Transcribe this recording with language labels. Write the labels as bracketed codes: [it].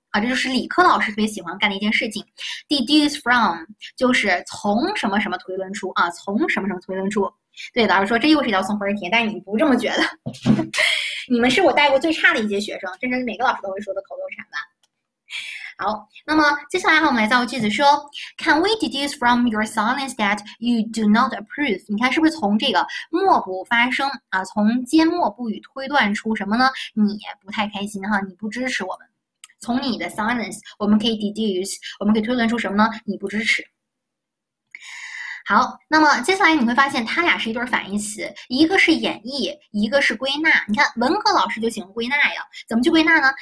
[zh] 啊，这就是理科老师特别喜欢干的一件事情，deduce from 就是从什么什么推论出啊，从什么什么推论出。对，老师说这又是一道送分题，但是你不这么觉得？你们是我带过最差的一届学生，这是每个老师都会说的口头禅吧？好，那么接下来我们来造个句子说， [en] Can we deduce from your silence that you do not approve？ [zh] 你看是不是从这个默不发声啊，从缄默不语推断出什么呢？你不太开心哈，你不支持我们。从你的 silence，我们可以 deduce，我们可以推论出什么呢？你不支持。好，那么接下来你会发现，它俩是一对反义词，一个是演绎，一个是归纳。你看，文科老师就喜欢归纳呀，怎么去归纳呢？